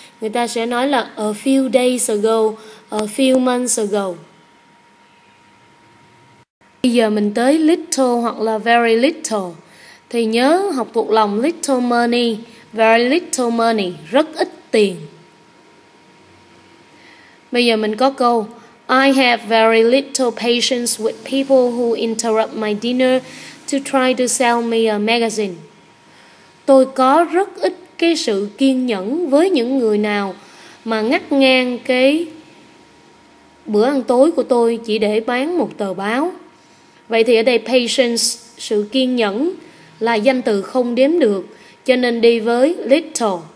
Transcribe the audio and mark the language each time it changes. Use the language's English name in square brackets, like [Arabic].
[Vietnamese] Người ta sẽ nói là [English] a few days ago, a few months ago. [Vietnamese] Bây giờ mình tới little hoặc là very little. Thì nhớ học thuộc lòng [English] little money, very little money, [Vietnamese] rất ít tiền. Bây giờ mình có câu [English] I have very little patience with people who interrupt my dinner to try to sell me a magazine. [Vietnamese] Tôi có rất ít cái sự kiên nhẫn với những người nào mà ngắt ngang cái bữa ăn tối của tôi chỉ để bán một tờ báo. Vậy thì ở đây patience, sự kiên nhẫn, là danh từ không đếm được, cho nên đi với little.